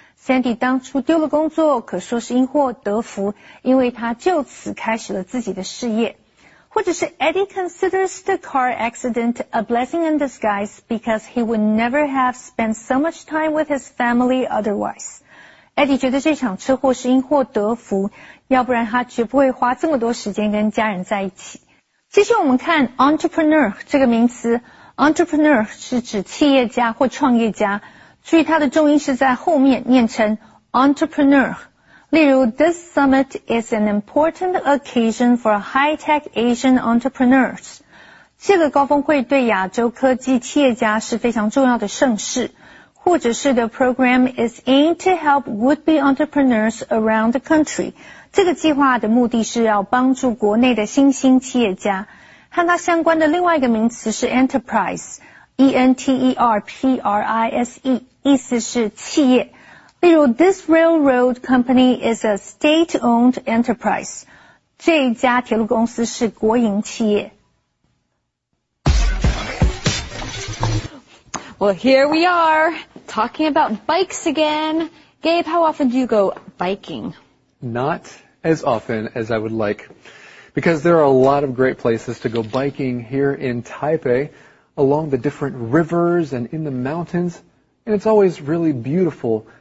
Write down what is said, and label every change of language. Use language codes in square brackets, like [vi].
[zh] Sandy 当初丢了工作可说是因祸得福，因为她就此开始了自己的事业。或者是 [en] Eddie considers the car accident a blessing in disguise because he would never have spent so much time with his family otherwise. [zh] Eddie 觉得这场车祸是因祸得福，要不然他绝不会花这么多时间跟家人在一起。接下来我们看 entrepreneur 这个名词， entrepreneur 是指企业家或创业家，注意它的重音是在后面，念成 entrepreneur。例如 [en] This summit is an important occasion for high-tech Asian entrepreneurs. [zh] 这个高峰会对亚洲科技企业家是非常重要的盛事。或者是 [en] The program is aimed to help would-be entrepreneurs around the country. [zh] 这个计划的目的是要帮助国内的新兴企业家。和它相关的另外一个名词是 enterprise, E-N-T-E-R-P-R-I-S-E, 意思是企业。例如 [en] This railroad company is a state-owned enterprise. [zh] 这一家铁路公司是国营企业。 [en] Well, here we are, talking about bikes again. Gabe, how often do you go biking? Not as often as I would like, because there are a lot of great places to go biking here in Taipei, along the different rivers and in the mountains, and it's always really beautiful.